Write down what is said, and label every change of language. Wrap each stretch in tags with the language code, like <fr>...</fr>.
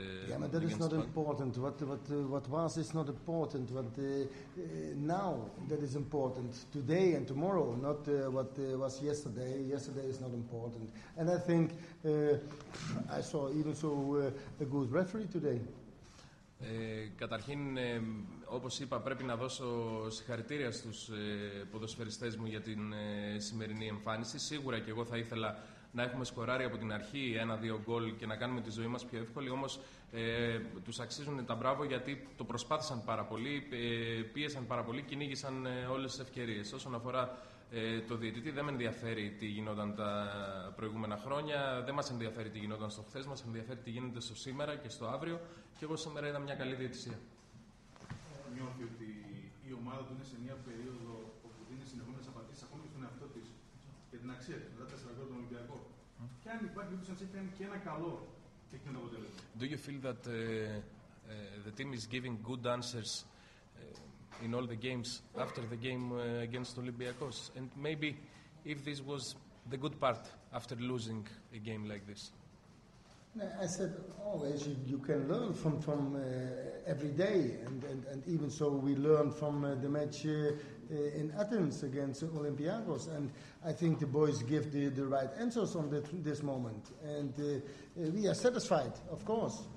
<en>Yeah, but that is not important. What was is not important. What now that is important. Today and tomorrow, not what was yesterday. Yesterday is not important. And I think I saw even so a good referee today.</en> <el>Καταρχήν, όπως είπα, πρέπει να δώσω συγχαρητήρια στους ποδοσφαιριστές μου για την σημερινή εμφάνιση. Σίγουρα και εγώ θα ήθελα να έχουμε σκοράρει από την αρχή 1-2 γκολ και να κάνουμε τη ζωή μας πιο εύκολη. Όμως, τους αξίζουν τα μπράβο γιατί το προσπάθησαν πάρα πολύ, πίεσαν πάρα πολύ, κυνήγησαν όλες τις ευκαιρίες. Όσον αφορά το διαιτητή, δεν με ενδιαφέρει τι γινόταν τα προηγούμενα χρόνια, δεν μας ενδιαφέρει τι γινόταν στο χθες, μας ενδιαφέρει τι γίνεται στο σήμερα και στο αύριο. Και εγώ σήμερα είδα μια καλή διαιτησία. Νιώθει ότι η ομάδα του είναι σε μια περίοδο όπου δίνει συνεχόμενες απαντήσεις ακόμη και στον εαυτό της και την αξία της μετά τα 4 χρόνια τον Ολυμπιακό. Και αν υπάρχει κάποιο, αν σε κάνει και ένα καλό, τι είναι το αποτέλεσμα.</el> <en>Do you feel that the team is giving good answers in all the games after the game against Olympiacos? And maybe if this was the good part after losing a game like this? I said always you can learn from every day, and even so we learned from the match in Athens against Olympiacos, and I think the boys give the right answers on this moment, and we are satisfied, of course.</en>